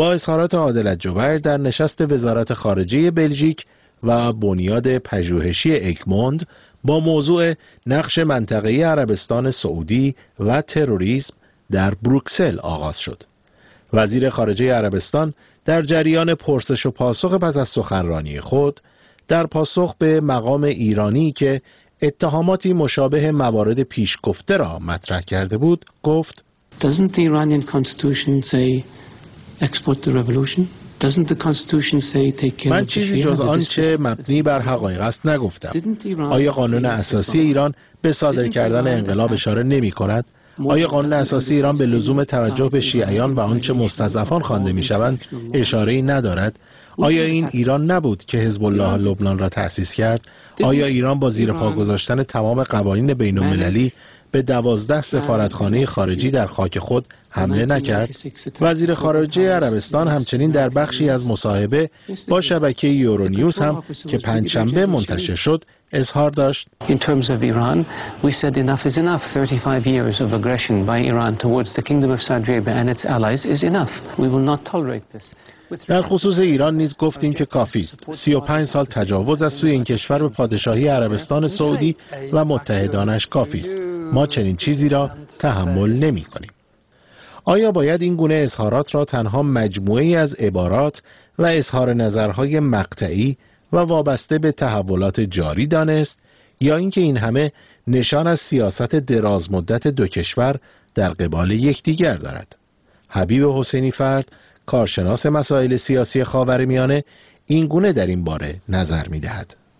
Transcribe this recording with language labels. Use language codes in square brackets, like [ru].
[fa] با اظهارات عادلت جوبر در نشست وزارت خارجه بلژیک و بنیاد پژوهشی اکموند با موضوع نقش منطقه عربستان سعودی و تروریسم در بروکسل آغاز شد. وزیر خارجه عربستان در جریان پرسش و پاسخ پس از سخنرانی خود در پاسخ به مقام ایرانی که اتهاماتی مشابه موارد پیش گفته را مطرح کرده بود گفت: [en] Doesn't the Iranian constitution say export the revolution? Doesn't the constitution say take care [fa] من چیزی جز آنچه مبنی بر حقایق است نگفتم. آیا قانون اساسی ایران به صادر کردن انقلاب اشاره نمی کند؟ آیا قانون اساسی ایران به لزوم توجه به شیعیان و آنچه مستضعفان خوانده می شوند اشاره ای ندارد؟ آیا این ایران نبود که حزب الله لبنان را تأسیس کرد؟ آیا ایران با زیر پا گذاشتن تمام قوانین بین المللی به 12 سفارتخانه خارجی در خاک خود حمله نکرد؟ وزیر خارجه عربستان همچنین در بخشی از مصاحبه با شبکه یورونیوز هم که پنجشنبه منتشر شد اظهار داشت: [en] In terms of Iran, we said enough is enough. 35 years of aggression by Iran towards the Kingdom of Saudi Arabia and its allies is enough. We will not tolerate this. [fa] در خصوص ایران نیز گفتیم که کافی است. 35 سال تجاوز از سوی این کشور به پادشاهی عربستان سعودی و متحدانش کافی است. ما چنین چیزی را تحمل نمی کنیم. آیا باید این گونه اظهارات را تنها مجموعی از عبارات و اظهار نظرهای مقطعی و وابسته به تحولات جاری دانست یا اینکه این همه نشان از سیاست دراز مدت دو کشور در قبال یکدیگر دارد؟ حبیب حسینی فرد، کارشناس مسائل سیاسی خاورمیانه، این گونه در این باره نظر می دهد.